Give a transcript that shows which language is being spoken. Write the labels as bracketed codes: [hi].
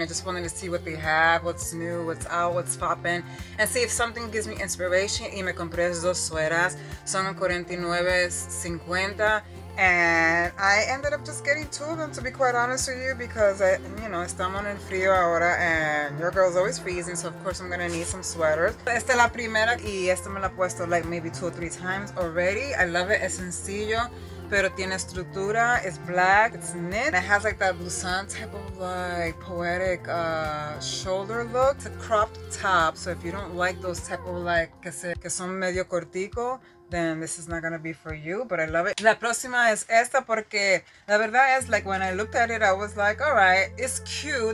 [en] I just wanted to see what they have, what's new, what's out, what's popping, and see if something gives me inspiration. [es] Y me compré dos sweaters. Son 49.50. [en] And I ended up just getting two of them, to be quite honest with you, because I, you know, estamos en frío ahora, and your girl is always freezing, so of course I'm gonna need some sweaters. [es] Esta es la primera y esta me la he puesto like maybe 2 or 3 times already. I love it. Es sencillo, pero tiene estructura. [en] It's black, it's knit, and it has like that blouson type of like poetic shoulder look. It's a cropped top, so if you don't like those type of like que son medio cortico, then this is not gonna be for you, but I love it. La próxima es esta porque la verdad es like when I looked at it, I was like, all right, it's cute.